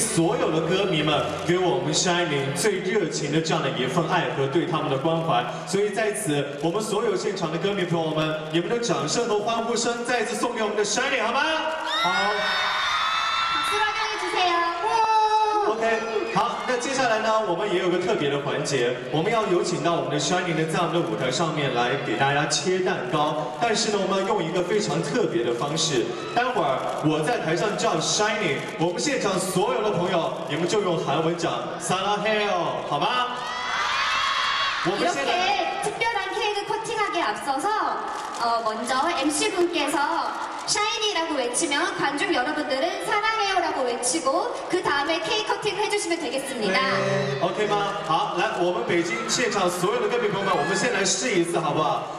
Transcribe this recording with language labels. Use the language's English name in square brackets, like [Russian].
[Chinese] 是，我们要为各位介绍一下，那现在这个蛋糕呢，也代表了我们北京所有的歌迷们给我们 Shining 最热情的这样的一份爱和对他们的关怀。所以在此，我们所有现场的歌迷朋友们，你们的掌声和欢呼声再次送给我们的 Shining， 好吗？好。掌声欢迎，谢谢。OK， 好，那接下来呢，我们也有个特别的环节，我们要有请到我们的 Shining 呢，在我们的舞台上面来给大家切蛋糕，但是呢，我们要用一个非常特别的方式。待会儿我在台上叫 Shining， 我们现场所有的朋友，你们就用韩文讲 [Korean] 사랑해요 [Chinese] 好吗？ [Korean] 이렇게특별한 케이크 커팅하기에 앞서서 먼저 MC 분께서 Shining이라고 외치면 관중 여러분들은 사랑해요라고 외치고 그 다음에 케이크 커팅 해주시면 되겠습니다. 네. [Chinese] OK吗？好，来，我们北京现场所有的歌迷朋友们，我们先来试一次，好不好？